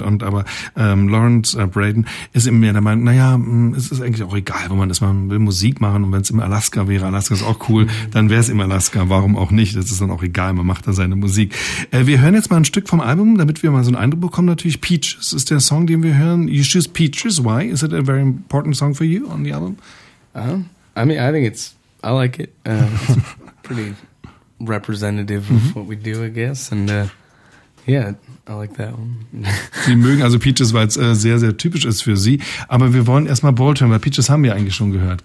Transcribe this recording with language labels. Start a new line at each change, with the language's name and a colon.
German: Und aber Lawrence Braden ist eben mehr der Meinung, naja, es ist eigentlich auch egal, wenn man das machen will, Musik machen. Und wenn es in Alaska wäre, Alaska ist auch cool, dann wäre es in Alaska. Warum auch nicht? Das ist dann auch egal, man macht da seine Musik. Wir hören jetzt mal ein Stück vom Album, damit wir mal so einen Eindruck bekommen. Natürlich Peach, das ist der Song, den wir hören.
English: You Choose Peaches. Why is it a very important song for you on the album? I mean, I think it's I like it. pretty representative of what we do, I guess. And yeah, I like that one.
German: Sie mögen also Peaches, weil es sehr, sehr typisch ist für sie. Aber wir wollen erstmal Bolt hören, weil Peaches haben wir eigentlich schon gehört.